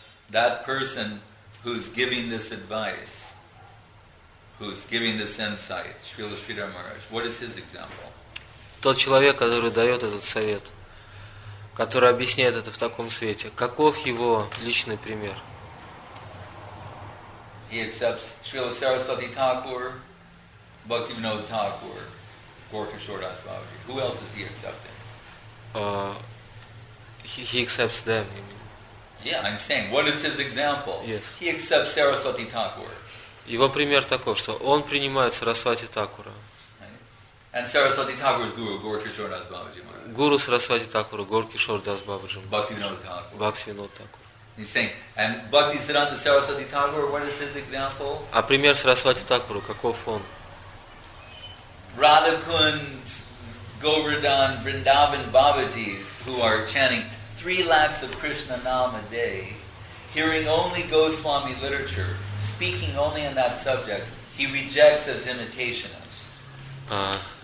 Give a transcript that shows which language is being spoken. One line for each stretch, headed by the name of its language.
English: That person who's giving this advice, who's giving this insight, Srila Sridhar Maharaj, what is his example?
Russian: Тот человек, который дает этот совет, который объясняет это в таком свете, каков его личный пример?
English: He accepts Srila Saraswati Thakur, Bhaktivinoda Thakur, Gorkha Shordas Babaji. Who else is he accepting? He accepts them, you mean. Yeah, I'm saying, what is his example? Yes. He accepts Saraswati Thakur.
Russian: Его пример таков, что он принимает Сарасвати Такура.
English: And Saraswati Thakur's guru, Gorkhishor Das Babaji Maharaj.
Russian: Guru Сарасвати Такура, Gorkhishor Das Babaji Maharaj.
English: Bhaktivinoda Thakur. Bhaktivinoda Thakur. He's saying, and Bhakti Siddhanta Saraswati Thakur, what is his example?
Russian: А пример Сарасвати Такуру, каков он?
English: Radhakund, Govardhan, Vrindavan Babajis, who are chanting 3 lakhs of Krishna Nam a day, hearing only Goswami literature, speaking only on that subject, he rejects as imitationists.